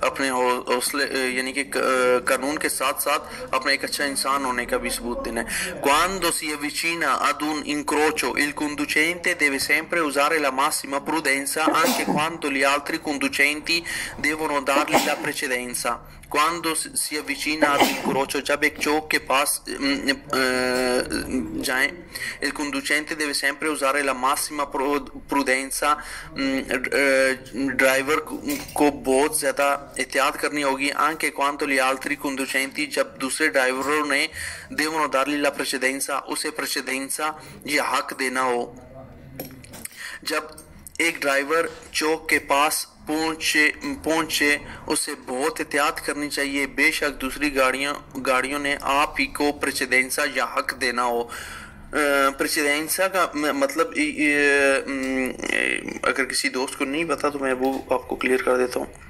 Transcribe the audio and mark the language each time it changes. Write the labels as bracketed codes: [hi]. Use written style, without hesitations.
[hi] अपने हौसले यानी कि कानून के साथ साथ अपने एक अच्छा इंसान होने का भी सबूत देना है। [it] Quando si avvicina ad un incrocio, il conducente deve sempre usare la massima prudenza anche quando gli altri conducenti devono dargli la precedenza. Quando si avvicina ad un incrocio, [hi] jab ek choke pass jaye, [it] il conducente deve sempre usare la massima prudenza. [hi] Driver ko bahut zyada ehtiyat karni hogi, [it] anche quando gli altri conducenti, [hi] jab dusre driver ne [it] devono dargli la precedenza, [hi] use precedenza ya haq dena ho. Jab ek driver choke ke pass पहुंचे उसे बहुत एहतियात करनी चाहिए, बेशक दूसरी गाड़ियों ने आप ही को प्रेसिडेंसा या हक देना हो। प्रेसिडेंसा का मतलब अगर किसी दोस्त को नहीं पता तो मैं वो आपको क्लियर कर देता हूँ।